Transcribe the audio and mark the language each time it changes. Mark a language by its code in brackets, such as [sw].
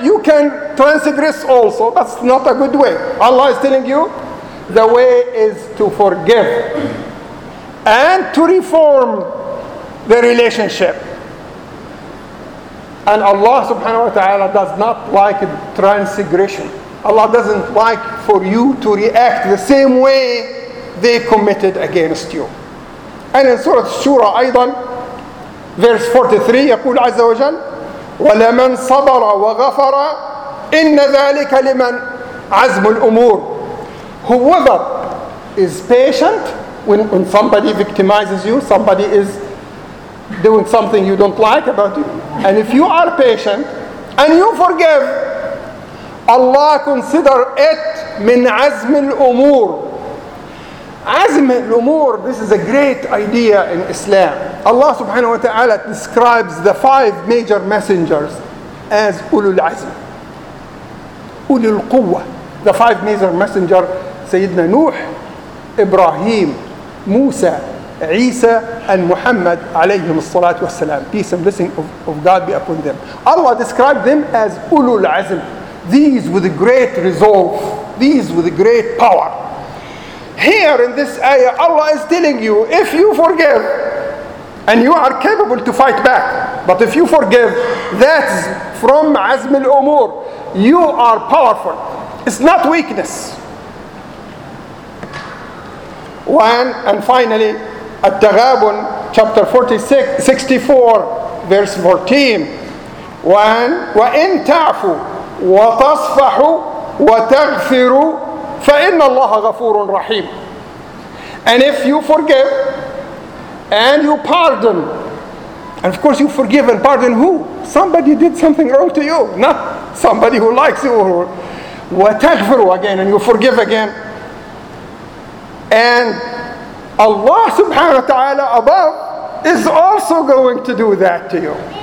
[en] You can transgress also. That's not a good way. Allah is telling you, the way is to forgive and to reform the relationship. And Allah subhanahu wa ta'ala does not like transgression. Allah doesn't like for you to react the same way they committed against you. And in Surah Shura, [ar] أيضاً, [en] verse 43, [ar] يقول عز وجل, وَلَمَنْ صَبَرَ وَغَفَرَ إِنَّ ذَلِكَ لِمَنْ عَزْمُ الْأُمُورِ. [en] Whoever is patient when somebody victimizes you, somebody is doing something you don't like about you, and if you are patient and you forgive, Allah consider it min azm al-umur. Azm al-umur, this is a great idea in Islam. Allah subhanahu wa ta'ala describes the five major messengers [ar] as أولو العزم, أولو القوة. [en] The five major messengers, سيدنا نوح, إبراهيم, موسى, عيسى, and Muhammad عليهم الصلاة والسلام. Peace and blessing of God be upon them. Allah described them as [ar] أولو العزم. [en] These with a great resolve. These with a great power. Here in this ayah, Allah is telling you, if you forgive, and you are capable to fight back, but if you forgive, that's from [ar] عزم الأمور. [en] You are powerful. It's not weakness. One, and finally, التغابن, chapter 64, verse 14. [ar] وأن تعفو وتصفح وتغفر فإن الله غفور رحيم. [en] And if you forgive and you pardon, and of course you forgive and pardon who? Somebody did something wrong to you, not somebody who likes you. وتغفر again, and you forgive again. And Allah subhanahu wa ta'ala above is also going to do that to you.